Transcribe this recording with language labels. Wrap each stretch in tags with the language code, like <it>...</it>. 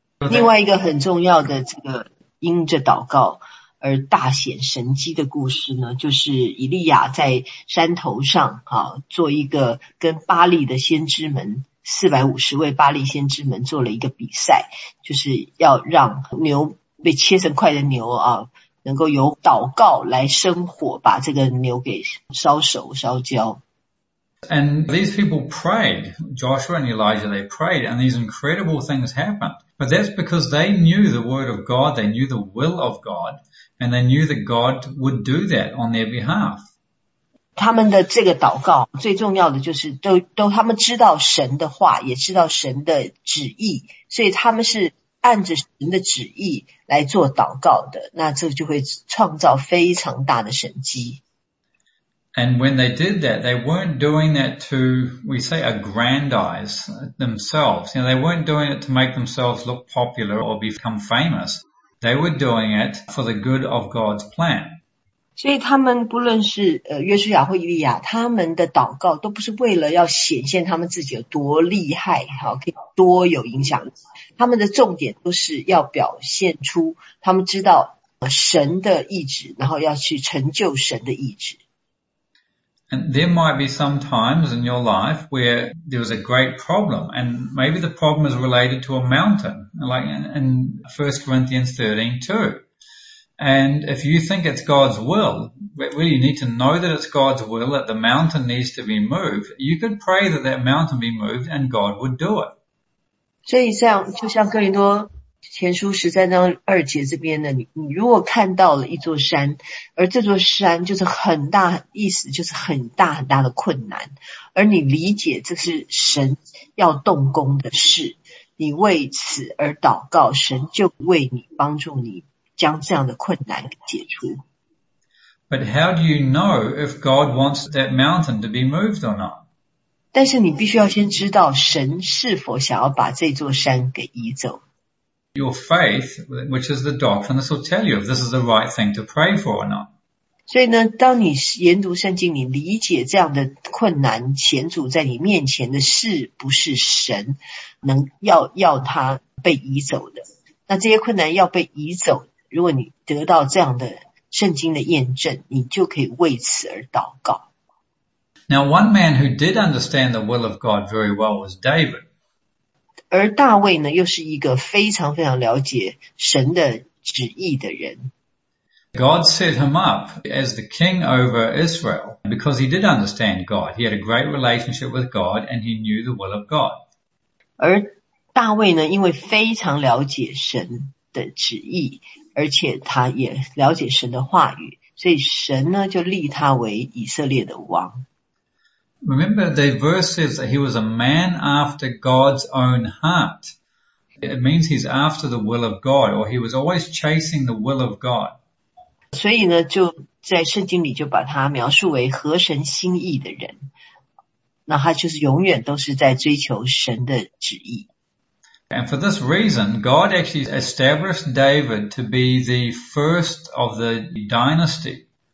<zh>另外一个很重要的这个因着祷告，而大显神迹的故事呢，就是以利亚在山头上啊，做一个跟巴利的先知们450位巴利先知们做了一个比赛，就是要让牛被切成块的牛啊，能够由祷告来生火，把这个牛给烧熟烧焦。</zh> <en>And these people prayed, Joshua and Elijah, they prayed, and these incredible things happened. But that's because they knew the word of God, they knew the will of God, and they knew that God would do that on their behalf.</en> <zh>他们的这个祷告最重要的就是都他们知道神的话，也知道神的旨意，所以他们是按着神的旨意来做祷告的，那这就会创造非常大的神迹。</zh> <en>And when they did that, they weren't doing that to, we say, aggrandize themselves. You know, they weren't doing it to make themselves look popular or become famous. They were doing it for the good of God's plan.</en> <zh>所以他们不论是约书亚或以利亚，他们的祷告都不是为了要显现他们自己有多厉害，好，可以多有影响。他们的重点都是要表现出他们知道神的意志，然后要去成就神的意志。</zh> <en>And there might be some times in your life where there was a great problem, and maybe the problem is related to a mountain, like in 1 Corinthians 13 too. And if you think it's God's will, really you need to know that it's God's will, that the mountain needs to be moved, you could pray that that mountain be moved and God would do it.</en> <zh>所以像就像哥林多前书十三章二节这边的，你如果看到了一座山，而这座山就是很大，意思就是很大很大的困难，而你理解这是神要动工的事，你为此而祷告，神就为你帮助你将这样的困难解除。</zh> <en>But how do you know if God wants that mountain to be moved or not?</en> <zh>但是你必须要先知道神是否想要把这座山给移走。</zh> <en>Your faith, which is the doctrine, this will tell you if this is the right thing to pray for or not.</en> <zh>所以呢，当你研读圣经，你理解这样的困难，前主在你面前的是不是神能要他被移走的？那这些困难要被移走，如果你得到这样的圣经的验证，你就可以为此而祷告。</zh> <en>Now, one man who did understand the will of God very well was David.</en> <zh>而大卫呢，又是一个非常非常了解神的旨意的人。</zh> <en>God set him up as the king over Israel because he did understand God. He had a great relationship with God and he knew the will of God.</en> <zh>而大卫呢，因为非常了解神的旨意，而且他也了解神的话语，所以神呢，就立他为以色列的王。</zh> <en>Remember, the verse says that he was a man after God's own heart. It means he's after the will of God, or he was always chasing the will of God.</en> <zh>所以呢，就在圣经里就把他描述为合神心意的人。那他就是永远都是在追求神的旨意。</zh> <en>And for this reason, God actually established David to be the first of the dynasty.</en>